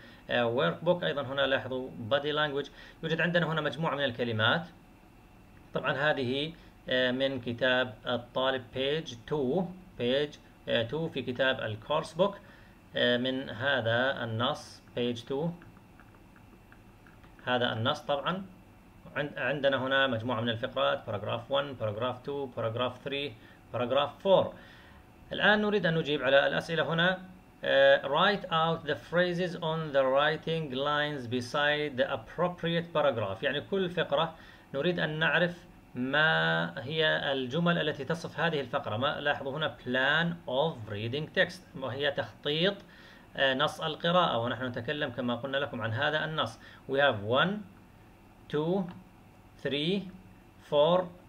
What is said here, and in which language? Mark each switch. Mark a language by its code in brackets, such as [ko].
[ar] ورك بوك ايضا هنا لاحظوا بادي لانجويج. يوجد عندنا هنا مجموعة من الكلمات، طبعا هذه من كتاب الطالب بيج 2، بيج 2 في كتاب الكورس بوك، من هذا النص بيج 2 هذا النص. طبعا عندنا هنا مجموعة من الفقرات، باراجراف 1 باراجراف 2 باراجراف 3 باراجراف 4. الآن نريد أن نجيب على الأسئلة هنا. [en] write out the phrases on the writing lines beside the appropriate paragraph. [ar] يعني كل فقرة نريد أن نعرف ما هي الجمل التي تصف هذه الفقرة. ما لاحظوا هنا [en] plan of reading text، [ar] وهي تخطيط نص القراءة، ونحن نتكلم كما قلنا لكم عن هذا النص. [en] We have one, two, three, four.